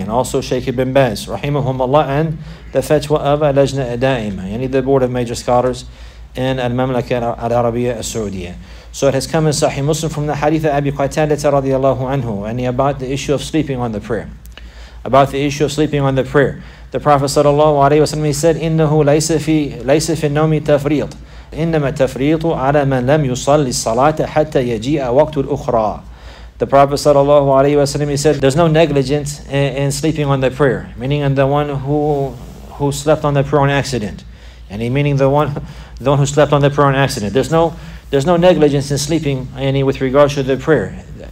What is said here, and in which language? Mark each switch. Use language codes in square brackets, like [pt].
[en] And also Shaykh ibn Baz, rahimahumullah, and the fatwa of Al-Lajna Adaimah, yani the board of major scholars in Al-Mamlaka Al-Arabiya Al-Saudiyah. So it has come in Sahih Muslim from the Haditha Abi Qatadah radiallahu anhu, and about the issue of sleeping on the prayer. About the issue of sleeping on the prayer. [ar] The Prophet sallallahu alayhi wa sallam said, إِنَّهُ لَيْسَ فِي النَّوْمِ تَفْرِيطُ إِنَّمَا تَفْرِيطُ عَلَى مَنْ لَمْ يُصَلِّ الصَّلَاةَ حَتَّى يَجِيءَ وَقْتُ الْأُخْرَى. [en] The Prophet sallallahu alayhi wa sallam said, there's no negligence in sleeping on the prayer. Meaning in the one who slept on the prayer on accident. And he meaning the one who slept on the prayer on accident. There's no negligence in sleeping any with regards to the prayer.